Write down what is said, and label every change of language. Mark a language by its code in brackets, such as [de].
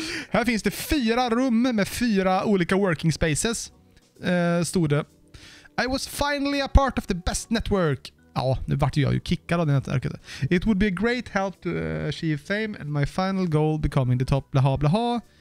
[sv] Här finns det 4 rum med 4 olika [en] working spaces. [sv] Stod det. [en] I was finally a part of the best network. [sv] Ja, nu vart jag ju kickad av det nätverket. [en] It would be a great help to achieve fame and my final goal becoming the top blaha blaha.